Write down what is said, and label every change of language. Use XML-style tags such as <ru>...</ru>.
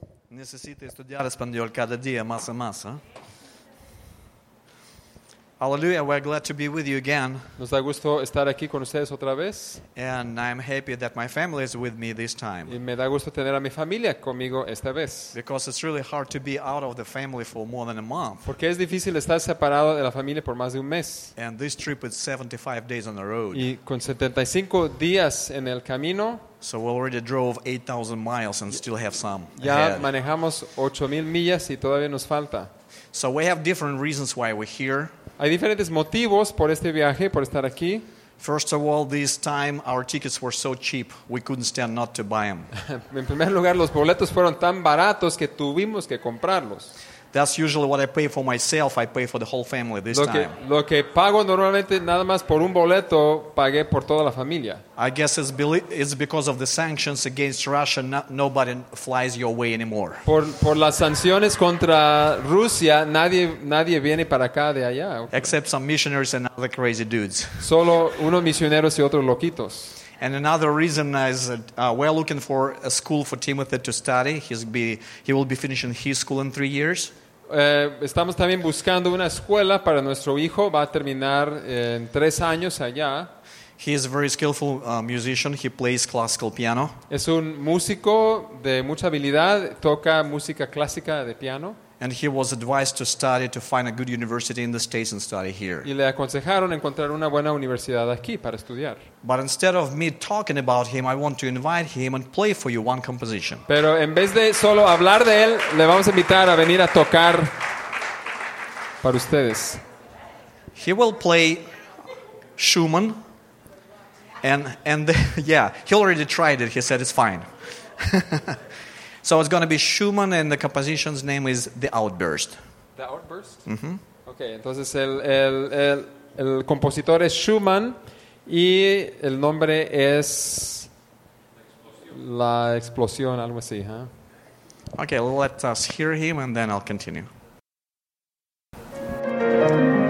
<es>Necesito estudiar español cada día, más y más.</es> <en>Hallelujah, we're glad to be with you again.</en> <es>Nos da gusto estar aquí con ustedes otra vez.</es> <en>And I'm happy that my family is with me this time.</en> <es>Y me da gusto tener a mi familia conmigo esta vez.</es> <en>Because it's really hard to be out of the family for more than a month.</en> <es>Porque es difícil estar separado de la familia por más de un mes.</es> <en>And this trip is 75 days on the road.</en> <es>Y con 75 días en el camino.</es> <en>So we already drove 8,000 miles and still have some.</en> <es>Ya manejamos 8,000 millas y todavía nos falta.</es> <en>So we have different reasons why we're here.</en> <es>Hay diferentes motivos por este viaje, por estar aquí.</es> <en>First of all, this time our tickets were so cheap, we couldn't stand not to buy them.</en> <es>En primer lugar, los boletos fueron tan baratos que tuvimos que comprarlos.</es> <en>That's usually what I pay for myself, I pay for the whole family this time.</en> <es>Lo que pago normalmente nada más por un boleto, pagué por toda la familia.</es> <en>I guess it's because of the sanctions against Russia, nobody flies your way anymore.</en> <es>Por las sanciones contra Rusia, nadie viene para acá de allá. Okay.</es> <en>Except some missionaries and other crazy dudes.</en> <es>Solo unos misioneros y otros loquitos.</es> <en>And another reason is that we're looking for a school for Timothy to study. He will be finishing his school in 3 years.</en> <es>Estamos también buscando una escuela para nuestro hijo. Va a terminar en 3 años allá.</es> <en>He is a very skillful musician. He plays classical piano.</en> <es>Es un músico de mucha habilidad. Toca música clásica de piano.</es> <en>And he was advised to study to find a good university in the States and study here.</en> <es>Y le aconsejaron encontrar una buena universidad aquí para estudiar.</es> <en>But instead of me talking about him, I want to invite him and play for you one composition.</en> <es>Pero en vez de solo hablar de él, le vamos a invitar a venir a tocar para ustedes.</es> <en>He will play Schumann. He already tried it. He said it's fine. So it's going to be Schumann, and the composition's name is The Outburst. The Outburst? Mm-hmm.</en> <es>Okay, entonces el compositor es Schumann, y el nombre es La Explosión, algo así, huh?</es> <en>Okay, let us hear him, and then I'll continue. Thank you.</en>